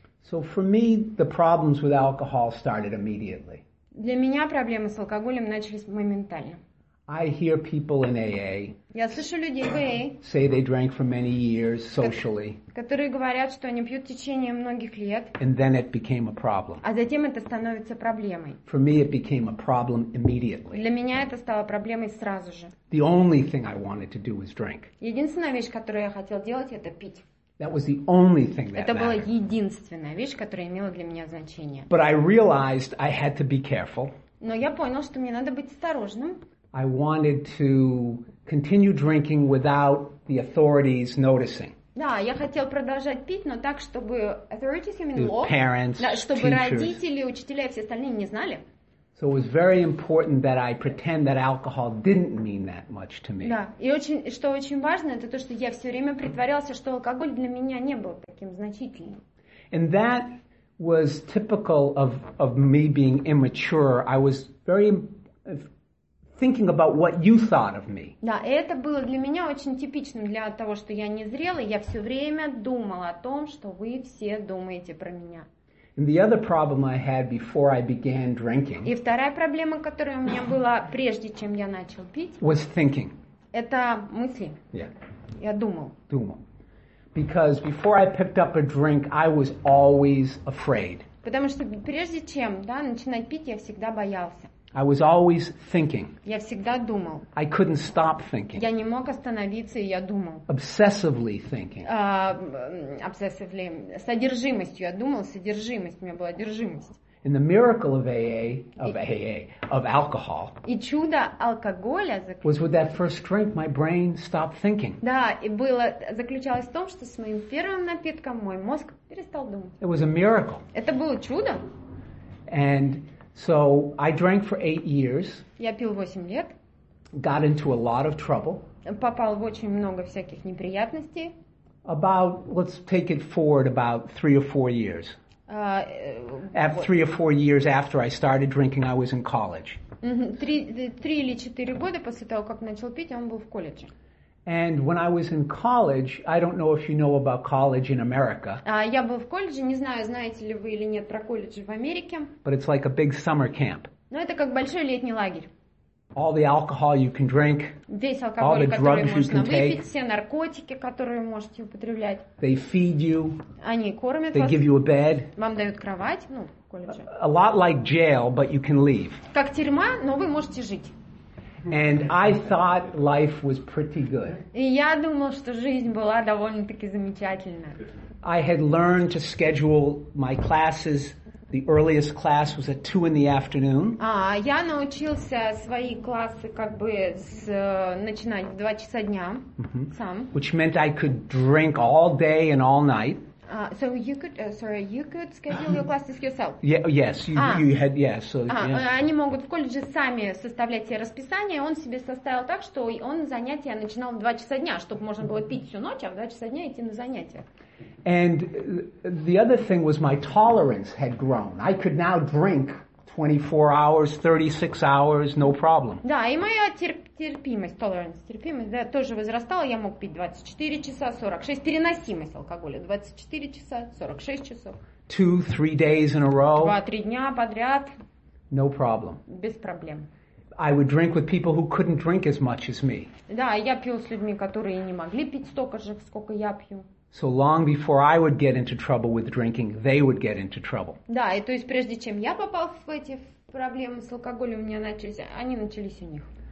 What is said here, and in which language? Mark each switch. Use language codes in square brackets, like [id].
[en] So for me the problems with alcohol started immediately. [ru] Для меня проблемы с алкоголем начались моментально. [en] I hear people in AA. [ru] Я слышу людей в AA. [en] Say they drank for many years socially. [ru] Которые говорят, что они пьют в течение многих лет. [en] And then it became a problem. [ru] А затем это становится проблемой. [en] For me it became a problem immediately. [ru] Для меня это стало проблемой сразу же. [en] The only thing I wanted to do was drink. [ru] Единственная вещь, которую я хотел делать, это пить. [en] That was the only thing that [ru] Это была [en] mattered. [ru] Единственная вещь, которая имела для меня значение. [en] But I realized I had to be careful. [ru] Но я понял, что мне надо быть осторожным. [en] I wanted to continue drinking without the authorities noticing. [ru] Да, я хотел продолжать пить, но так, чтобы [en] authorities, I mean law, parents, [ru] да, чтобы [en] teachers. [ru] Родители, учителя и все остальные не знали. [en] So it was very important that I pretend that alcohol didn't mean that much to me. [ru] Да, и очень, что очень важно, это то, что я все время притворялся, что алкоголь для меня не был таким значительным. [en] And that was typical of me being immature. I was very thinking about what you thought of me. [ru] Да, и это было для меня очень типичным для того, что я незрелый. Я все время думал о том, что вы все думаете про меня. [en] And the other problem I had before I began drinking. [ru] И вторая проблема, которая у меня была прежде, чем я начал пить. [en] Was thinking. [ru] Это мысли. [en] Yeah. [ru] Я думал. Думал. [en] Because before I picked up a drink, I was always afraid. [ru] Потому что прежде чем, да, начинать пить, я всегда боялся. [en] I was always thinking. [ru] Я всегда думал. [en] I couldn't stop thinking. [ru] Я не мог остановиться, и я думал. [en] Obsessively thinking. Obsessively. [ru] С одержимостью. Я думал, содержимость. У меня была одержимость. [en] And the miracle of AA, of alcohol. [ru] И чудо алкоголя [en] was with that first drink, my brain stopped thinking. [ru] Да, и было заключалось в том, что с моим первым напитком мой мозг перестал думать. [en] It was a miracle. [ru] Это было чудо. [en] And so I drank for 8 years. [ru] Я пил 8 лет. [en] Got into a lot of trouble. [ru] Попал в очень много всяких неприятностей. [en] About, let's take it forward about 3 or 4 years. At 3 or 4 years after I started drinking, I was in college. [ru] Три или четыре года после того, как начал пить, он был в колледже. [en] And when I was in college, I don't know if you know about college in America. [ru] Я был в колледже, не знаю, знаете ли вы или нет про колледж в Америке. [en] But it's like a big summer camp. [ru] Но это как большой летний лагерь. [en] All the alcohol you can drink. [ru] Весь алкоголь, [en] all the drugs [ru] который можно [en] you can [ru] выпить, [en] take, [ru] все наркотики, которые можете употреблять. [en] They feed you. [ru] Они кормят вас. [en] They give you a bed. [ru] Вам дают кровать, ну, в колледже. [en] A lot like jail, but you can leave. [ru] Как тюрьма, но вы можете жить. [en] And I thought life was pretty good. [ru] И я думал, что жизнь была довольно-таки замечательная. [en] I had learned to schedule my classes. The earliest class was at 2 in the afternoon. [ru] Я научился свои классы как бы начинать в 2 часа дня сам. [en] Which meant I could drink all day and all night. So you could, you could schedule your classes yourself. Yeah, yes, you had, yes. So, [ru] они могут в колледже сами составлять себе расписание. Он себе составил так, что он занятия начинал в 2 часа дня, чтобы можно было пить всю ночь, а в 2 часа дня идти на занятия. [en] And the other thing was my tolerance had grown. I could now drink 24 hours, 36 hours, no problem. [ru] Да, и моя терпимость, тоже возрастала. Я мог пить 24 часа, 46, переносимость алкоголя, 24 часа, 46 часов. [en] 2-3 days in a row. [ru] 2-3 дня подряд. [en] No problem. [ru] Без проблем. [en] I would drink with people who couldn't drink as much as me. [ru] Да, я пил с людьми, которые не могли пить столько же, сколько я пью. [en] So long before I would get into trouble with drinking, they would get into trouble. [ru] Да, и то есть прежде чем я попал в эти проблемы с алкоголем, у меня начались, они начались у них.